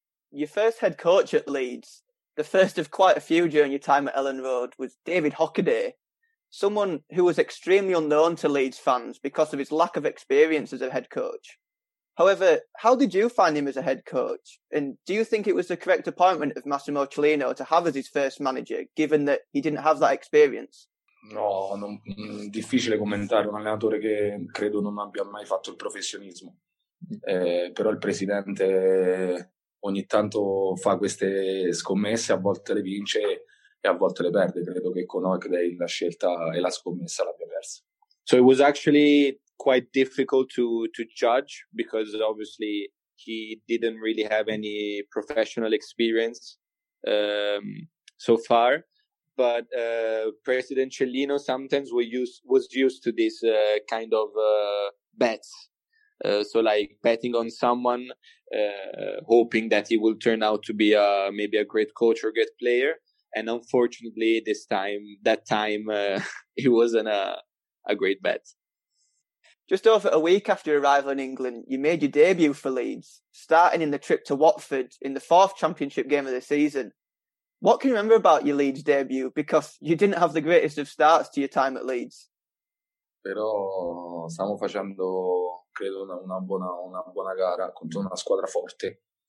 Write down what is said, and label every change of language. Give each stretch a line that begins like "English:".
English: Your first head coach at Leeds, the first of quite a few during your time at Elland Road, was David Hockaday, someone who was extremely unknown to Leeds fans because of his lack of experience as a head coach. However, how did you find him as a head coach? And do you think it was the correct appointment of Massimo Cellino to have as his first manager, given that he didn't have that experience?
Italian: No, non, difficile commentare un allenatore che credo non abbia mai fatto il professionismo. Però il presidente ogni tanto fa queste scommesse, a volte le vince e a volte le perde. Credo che con Hockaday la scelta e la scommessa l'abbia persa.
English: So it was actually quite difficult to judge because obviously he didn't really have any professional experience so far. But President Cellino sometimes was used to this kind of bets. So like betting on someone, hoping that he will turn out to be maybe a great coach or great player. And unfortunately, that time, he wasn't a great bet. Just over a week after your arrival in England, you made your debut for Leeds, starting in the trip to Watford in the fourth championship game of the season. What can you remember about your Leeds debut? Because you didn't have the greatest of starts to your time at Leeds.
Italian: Però stiamo facendo, credo, una buona gara contro una squadra forte.